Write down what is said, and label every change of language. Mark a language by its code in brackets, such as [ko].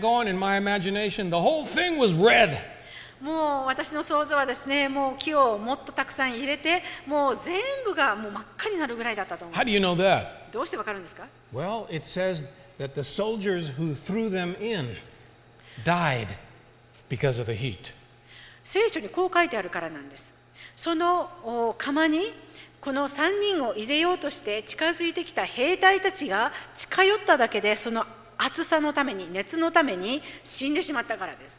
[en] They kept going. In my imagination, the whole thing was red. [ja] もう私の想像はですね、もう気をもっとたくさん入れて、もう全部がもう真っ赤になるぐらいだったと思う。 [en] How do you know that? [ja] どうしてわかるんですか? [en] Well, it says that the soldiers who threw them in died because of the heat. [ja] 聖書にこう書いてあるからなんです。その釜にこの3人を入れようとして近づいてきた兵隊たちが近寄っただけでその熱さのために熱のために死んでしまったからです。